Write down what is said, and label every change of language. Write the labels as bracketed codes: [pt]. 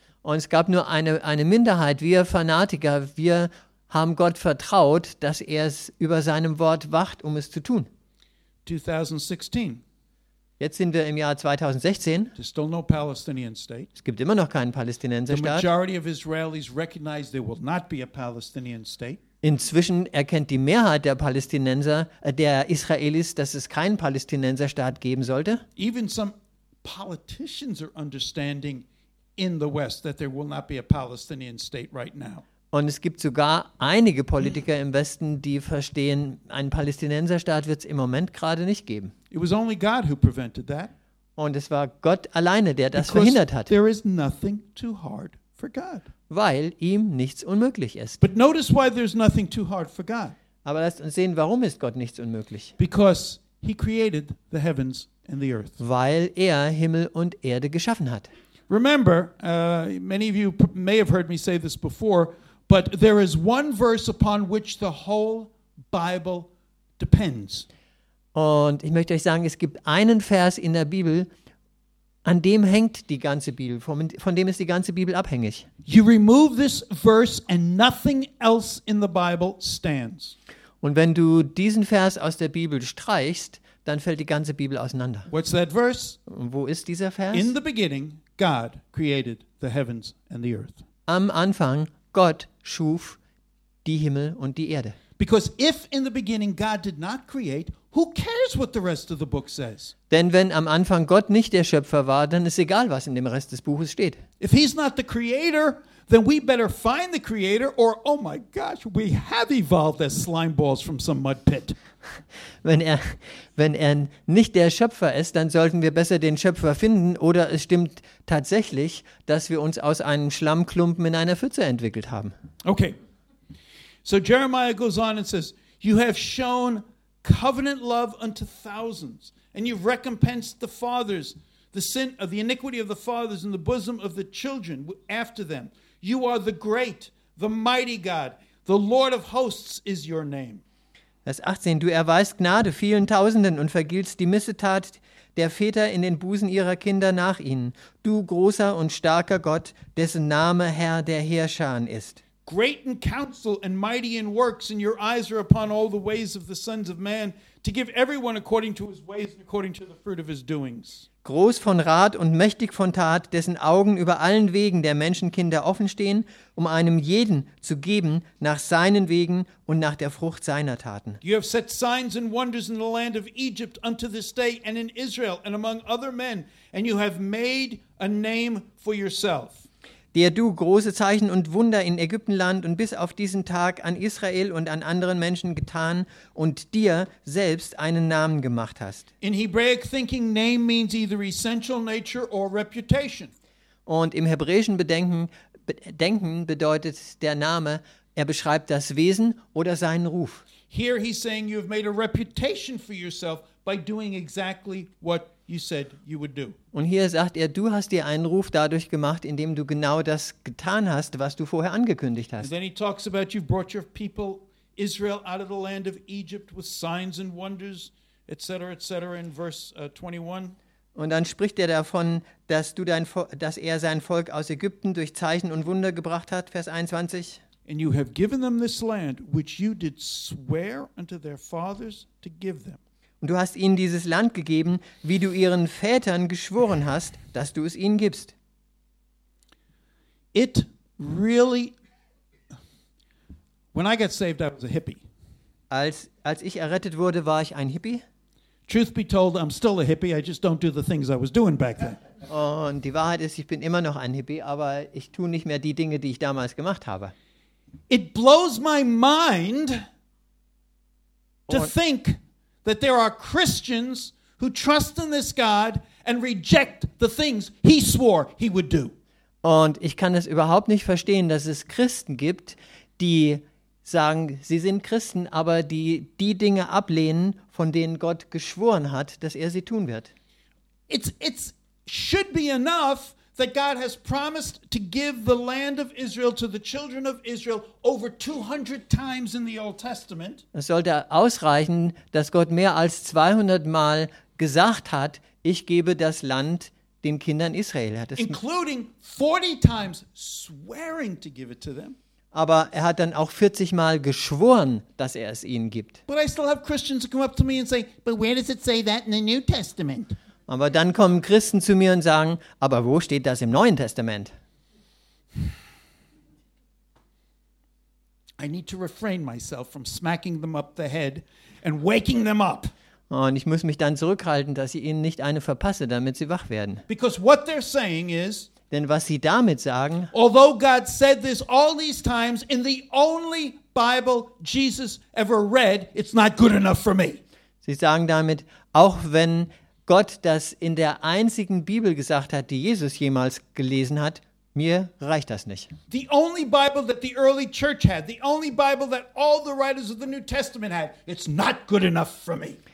[de] Und es gab nur eine Minderheit, wir Fanatiker, wir haben Gott vertraut, dass er es über seinem Wort wacht, um es zu tun. 2016. Jetzt sind wir im Jahr 2016. [en] There's still no Palestinian state. [de] Es gibt immer noch keinen Palästinenser Staat. [en] The majority of Israelis recognize there will not be a Palestinian state. [de] Inzwischen erkennt die Mehrheit der Palästinenser, der Israelis, dass es keinen Palästinenser Staat geben sollte. [en] Even some politicians are understanding in the West that there will not be a Palestinian state right now. [de] Und es gibt sogar einige Politiker im Westen, die verstehen, einen Palästinenserstaat wird es im Moment gerade nicht geben. [en] It was only God who prevented that. [de] Und es war Gott alleine, der das verhindert hat. [en] There is nothing too hard for God. [de] Weil ihm nichts unmöglich ist. [en] But notice why there's nothing too hard for God. [de] Aber lasst uns sehen, warum ist Gott nichts unmöglich? [en] Because he created the heavens and the earth. [de] Weil er Himmel und Erde geschaffen hat. [en] Remember, many of you may have heard me say this before, but there is one verse upon which the whole Bible depends. [de] Und ich möchte euch sagen, es gibt einen Vers in der Bibel, an dem hängt die ganze Bibel, von dem ist die ganze Bibel abhängig. [en] You remove this verse and nothing else in the Bible stands. [de] Und wenn du diesen Vers aus der Bibel streichst, dann fällt die ganze Bibel auseinander. [en] What's that verse? [de] Wo ist dieser Vers? [en] In the beginning God created the heavens and the earth. [de] Am Anfang Gott schuf die Himmel und die Erde. [en] Because if in the beginning God did not create, who cares what the rest of the book says? [de] Denn wenn am Anfang Gott nicht der Schöpfer war, dann ist egal, was in dem Rest des Buches steht. [en] If he's not the creator, then we better find the creator or, oh my gosh, we have evolved as slime balls from some mud pit. [de] Wenn er nicht der Schöpfer ist, dann sollten wir besser den Schöpfer finden oder es stimmt tatsächlich, dass wir uns aus einem Schlammklumpen in einer Pfütze entwickelt haben. [en] Okay. So Jeremiah goes on and says, you have shown covenant love unto thousands and you've recompensed the fathers the sin of the iniquity of the fathers in the bosom of the children after them. You are the great, the mighty God. The Lord of hosts is your name. [de] Vers 18, du erweist Gnade vielen Tausenden und vergiltst die Missetat der Väter in den Busen ihrer Kinder nach ihnen. Du großer und starker Gott, dessen Name Herr der Heerscharen ist. [en] Great in counsel and mighty in works, and your eyes are upon all the ways of the sons of man, to give everyone according to his ways and according to the fruit of his doings. [de] Groß von Rat und mächtig von Tat, dessen Augen über allen Wegen der Menschenkinder offen stehen, um einem jeden zu geben nach seinen Wegen und nach der Frucht seiner Taten. [en] You have set signs and wonders in the land of Egypt unto this day and in Israel and among other men, and you have made a name for yourself. [de] Der du große Zeichen und Wunder in Ägyptenland und bis auf diesen Tag an Israel und an anderen Menschen getan und dir selbst einen Namen gemacht hast. [en] In Hebraic thinking, name means either essential nature or reputation. [de] Und im hebräischen Denken bedeutet der Name, er beschreibt das Wesen oder seinen Ruf. [en] Here he's saying you have made a reputation for yourself by doing exactly what you said you would do. [de] Und hier sagt er, du hast dir einen Ruf dadurch gemacht, indem du genau das getan hast, was du vorher angekündigt hast. [en] And then he talks about you've brought your people Israel out of the land of Egypt with signs and wonders, etc., etc. in verse 21. [de] Und dann spricht er davon, dass er sein Volk aus Ägypten durch Zeichen und Wunder gebracht hat, Vers 21. [en] And you have given them this land which you did swear unto their fathers to give them. [de] Und du hast ihnen dieses Land gegeben, wie du ihren Vätern geschworen hast, dass du es ihnen gibst. [en] It really, when I got saved, I was a hippie. [de] Als ich errettet wurde, war ich ein Hippie. [en] Truth be told, I'm still a hippie. I just don't do the things I was doing back then. [de] Und die Wahrheit ist, ich bin immer noch ein Hippie, aber ich tue nicht mehr die Dinge, die ich damals gemacht habe. [en] It blows my mind to think that there are Christians who trust in this God and reject the things he swore he would do. [de] Und ich kann es überhaupt nicht verstehen, dass es Christen gibt, die sagen, sie sind Christen, aber die Dinge ablehnen, von denen Gott geschworen hat, dass er sie tun wird. [en] It's should be enough that God has promised to give the land of Israel to the children of Israel over 200 times in the Old Testament. [de] Es sollte ausreichen, dass Gott mehr als 200 Mal gesagt hat, ich gebe das Land den Kindern Israel. [en] Including 40 times swearing to give it to them. [de] Aber er hat dann auch 40 Mal geschworen, dass er es ihnen gibt. [en] But I still have Christians who come up to me and say, but where does it say that in the New Testament? [de] Aber dann kommen Christen zu mir und sagen, aber wo steht das im Neuen Testament? [en] I need to refrain myself from smacking them up the head and waking them up. [de] Und ich muss mich dann zurückhalten, dass ich ihnen nicht eine verpasse, damit sie wach werden. [en] Because what they're saying is, [de] denn was sie damit sagen, [en] although God said this all these times in the only Bible Jesus ever read, it's not good enough for me. [de] Sie sagen damit, auch wenn Gott das in der einzigen Bibel gesagt hat, die Jesus jemals gelesen hat, mir reicht das nicht. [en] The only Bible that the early church had, the only Bible that all the writers of the New Testament had, it's not good enough for me.